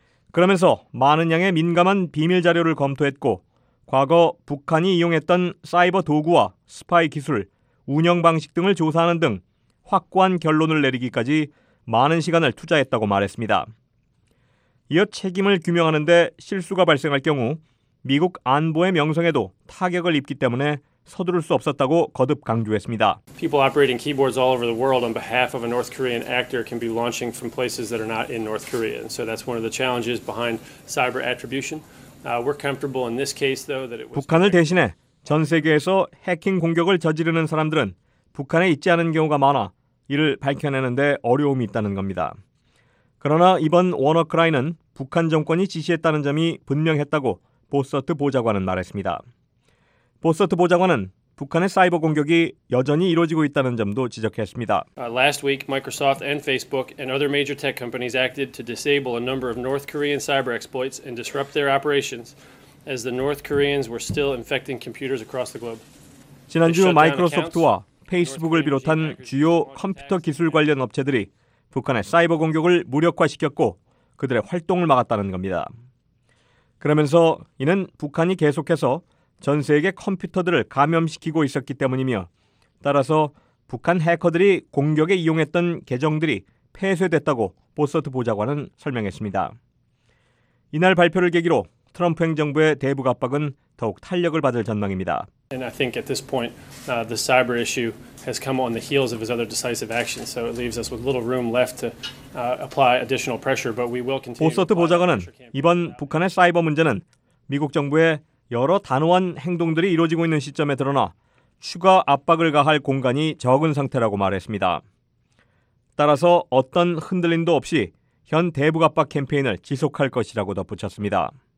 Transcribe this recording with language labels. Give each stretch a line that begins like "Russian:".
Korean: 그러면서 많은 양의 민감한 비밀 자료를 검토했고 과거 북한이 이용했던 사이버 도구와 스파이 기술, 운영 방식 등을 조사하는 등 확고한 결론을 내리기까지 많은 시간을 투자했다고 말했습니다. 이어 책임을 규명하는 데 실수가 발생할 경우 미국 안보의 명성에도 타격을 입기 때문에 서두를 수 없었다고 거듭 강조했습니다.
English: People operating keyboards all over the world on behalf of a North Korean actor can be launching from places that are not in North Korea. And so that's one of the challenges behind cyber attribution. We're comfortable in this case though that it was
Korean: 북한을 대신해 전 세계에서 해킹 공격을 저지르는 사람들은 북한에 있지 않은 경우가 많아 이를 밝혀내는 데 어려움이 있다는 겁니다. 그러나 이번 워너크라이는 북한 정권이 지시했다는 점이 분명했다고 보서트 보좌관은 말했습니다. 보서트 보좌관은 북한의 사이버 공격이 여전히 이루어지고 있다는 점도 지적했습니다.
English: Last week, Microsoft and Facebook and other major tech companies acted to disable a number of North Korean cyber exploits and disrupt their operations as the North Koreans were still infecting computers across the globe.
Korean: 지난주 마이크로소프트와 페이스북을 비롯한 주요 컴퓨터 기술 관련 업체들이 북한의 사이버 공격을 무력화시켰고 그들의 활동을 막았다는 겁니다. 그러면서 이는 북한이 계속해서 전 세계 컴퓨터들을 감염시키고 있었기 때문이며 따라서 북한 해커들이 공격에 이용했던 계정들이 폐쇄됐다고 보서트 보좌관은 설명했습니다. 이날 발표를 계기로 트럼프 행정부의 대북 압박은 더욱 탄력을 받을 전망입니다.
English: And I think at this point the cyber issue has come on the heels of his other decisive actions, so it leaves us with little room left to apply additional pressure. But we will continue.
Korean: 보서트 보좌관은 이번 북한의 사이버 문제는 미국 정부의 여러 단호한 행동들이 이루어지고 있는 시점에 드러나 추가 압박을 가할 공간이 적은 상태라고 말했습니다. 따라서 어떤 흔들림도 없이 현 대북 압박 캠페인을 지속할 것이라고 덧붙였습니다.